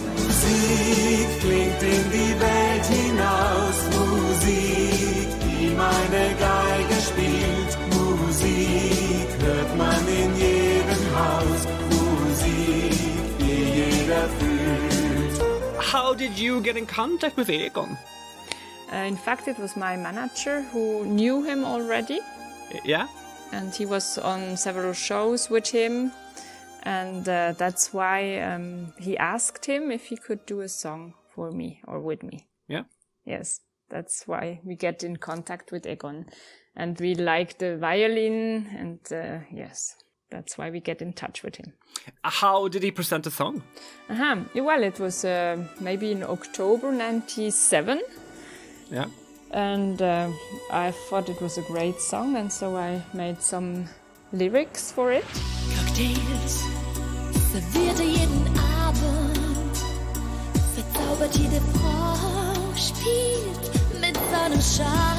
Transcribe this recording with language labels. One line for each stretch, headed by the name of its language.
German: Musik klingt in die Welt hinaus. Musik, die meine Geige spielt. Musik hört man in jedem Haus. Musik, die jeder fühlt.
English: How did you get in contact with Egon? In fact, it was my manager who knew him already. Yeah? And he was on several shows with him, and that's why he asked him if he could do a song for me or with me. Yeah. Yes, that's why we get in contact with Egon, and we like the violin, and yes, that's why we get in touch with him. How did he present the song? Uh-huh. Well, it was maybe in October 97. Yeah. And I thought it was a great song, and so I made some lyrics for it.
German: Cocktails, serviert jeden Abend, verzaubert jede Frau, spielt mit seinem Schatz.